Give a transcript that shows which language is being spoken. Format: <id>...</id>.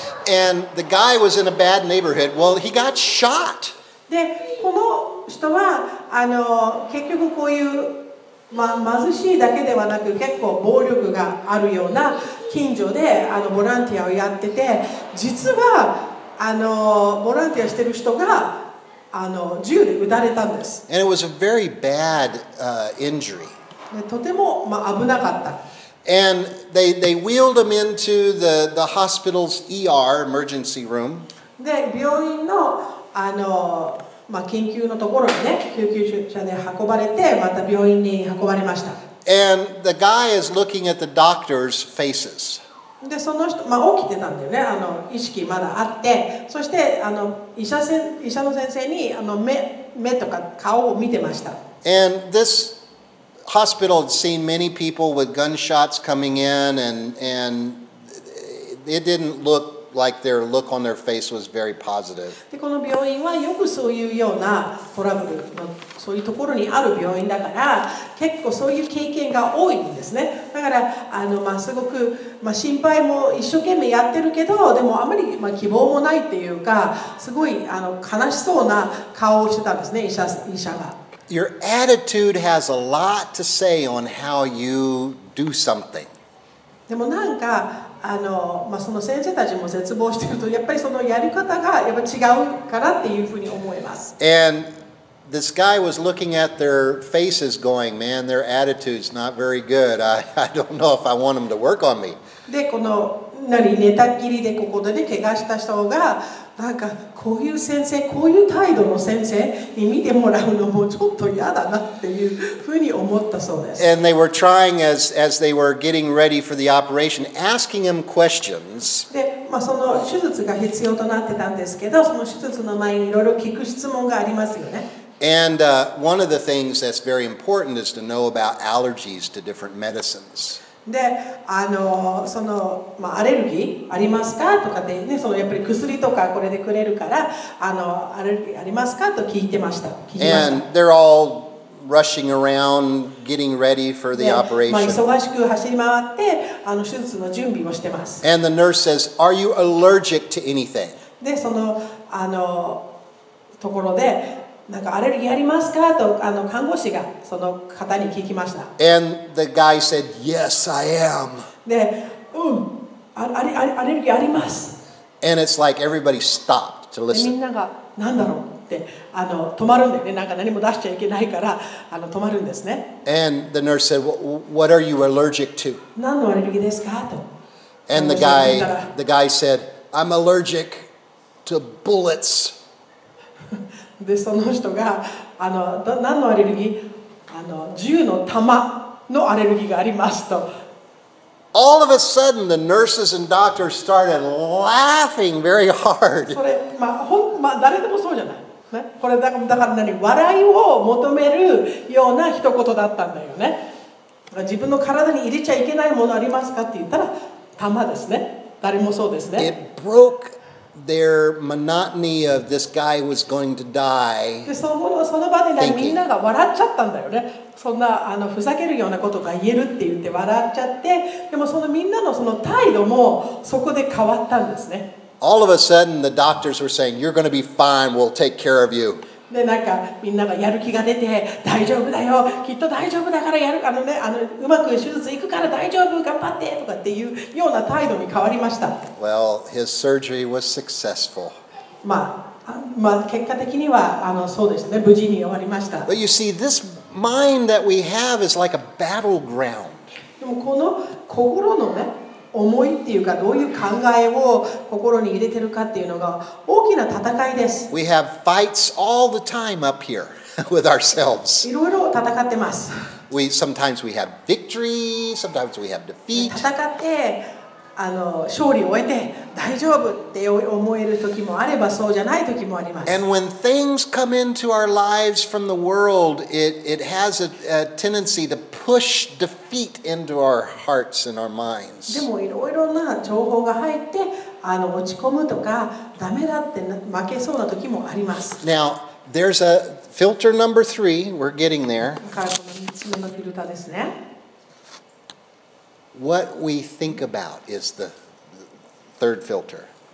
<en>And the guy was in a bad neighborhood. Well, he got shot.</en> <ja>で、この人は結局こういう、まあ、貧しいだけではなく結構暴力があるような近所でボランティアをやってて、実はボランティアしてる人が銃で撃たれたんです。</ja> <en>And it was a very bad injury.</en> <ja>とても、まあ、危なかった。</ja> <en>And they wheeled him into the hospital's ER, emergency room.</en> <ja>で、病院の、まあ、緊急のところにね、救急車で運ばれて、また病院に運ばれました。</ja> <en>And the guy is looking at the doctor's faces.</en> <ja>で、その人、まあ、起きてたんだよね、意識まだあって、そして医者の先生に目とか顔を見てました。</ja> <en>And thishospital had seen many people with gunshots coming in and it didn't look like their look on their face was very positive.</en> <ja>で、この病院はよくそういうようなトラブル、そういうところにある病院だから、結構そういう経験が多いんですね。だから、まあ、すごく、まあ、心配も一生懸命やってるけど、でもあまり、まあ、希望もないっていうか、すごい悲しそうな顔をしてたんですね、医者が。</ja> <en>Your attitude has a lot to say on how you do something.</en> <ja>でもなんかあの、まあ、その先生たちも絶望しているとやっぱりそのやり方がやっぱ違うからっていうふうに思います。</ja> <en>And this guy was looking at their faces going, man, their attitude's not very good. I don't know if I want them to work on me.</en> <ja>で、この何寝たきりでここでね、怪我した人が、なんかこういう先生、こういう態度の先生に見てもらうのもちょっと嫌だなっていうふうに思ったそうです。</ja> <en>And they were trying as they were getting ready for the operation, asking him questions.</en> <ja>で、まあ、その手術が必要となってたんですけど、その手術の前にいろいろ聞く質問がありますよね。</ja> <en>And one of the things that's very important is to know about allergies to different medicines.</en> <ja>で、あの、その、まあ、アレルギーありますかとかでね、そのやっぱり薬とかこれでくれるから、あの、アレルギーありますかと聞いてました。</ja> <en>And they're all rushing around, getting ready for the operation.</en> <ja>で、まあ、忙しく走り回って、あの、手術の準備をしてます。</ja> <en>And the nurse says, "Are you allergic to anything?"</en> <ja>で、その、あの、ところで、なんかアレルギーありますかとあの看護師がその方に聞きました。</ja> <en>And the guy said, "Yes, I am."</en> <ja>で、うん、アレルギーあります。</ja> <en>And it's like everybody stopped to listen.</en> <ja>みんながなんだろうってあの止まるんでね、なんか何も出しちゃいけないからあの止まるんですね。</ja> <en>And the nurse said, "What are you allergic to?"</en> <ja>何のアレルギーですかと。</ja> <en>And the guy said, "I'm allergic to bullets."</en> <ja>でその人があの何のアレルギーあの銃の弾のアレルギーがありますと。</ja> <en>All of a sudden, the nurses and doctors started laughing very hard.</en> <ja>それまあほんまあ、誰でもそうじゃない、ね、これだから何笑いを求めるような一言だったんだよね。自分の体に入れちゃいけないものありますかって言ったら弾ですね。誰もそうですね。</ja> <en>It broke. Their monotony of this guy was going to die.</en> <ja>でその場でみんなが笑っちゃったんだよね。そんなあのふざけるようなことが言えるって言って笑っちゃって、でもそのみんなのその態度もそこで変わったんですね。</ja> <en>All of a sudden, the doctors were saying, "You're going to be fine. We'll take care of you."</en> <ja>でなんかみんながやる気が出て、大丈夫だよ。きっと大丈夫だからやるあのねあのうまく手術いくから大丈夫頑張ってとかっていうような態度に変わりました。</ja> <en>Well, his surgery was successful.</en> <ja>まあ結果的にはあのそうですね無事に終わりました。</ja> <en>But you see, this mind that we have is like a battleground.</en> <ja>でもこの心のね思いっていうかどういう考えを心に入れてるかっていうのが大きな戦いです。</ja> <en>We have fights all the time up here with ourselves.</en> <ja>いろいろ戦ってます。</ja> <en>Sometimes we have victory, sometimes we have defeat.</en> <ja>戦ってあの勝利を得て大丈夫って思える時もあればそうじゃない時もあります。</ja> <en>And when things come into our lives from the world, it has a tendency to push defeat into our hearts and our minds.</en> <ja>でもいろいろな情報が入ってあの落ち込むとかダメだって負けそうな時もあります。</ja> <en>Now there's a filter number three. We're getting there.</en> <ja>だからこの3つ目のフィルターですね。</ja> <en>What we think about is the third filter.</en>